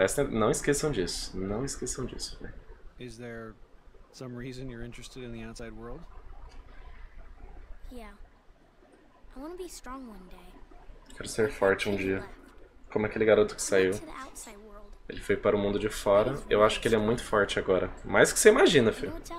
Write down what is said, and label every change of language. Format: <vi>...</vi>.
<pt>Não esqueçam disso. Não esqueçam disso, velho.</pt> <en>Is there some reason you're interested in the outside world? Yeah. I want to be strong one day.</en> <pt>Quero ser forte um dia. Como aquele garoto que saiu. Ele foi para o mundo de fora. Eu acho que ele é muito forte agora. Mais que você imagina, filho.</pt>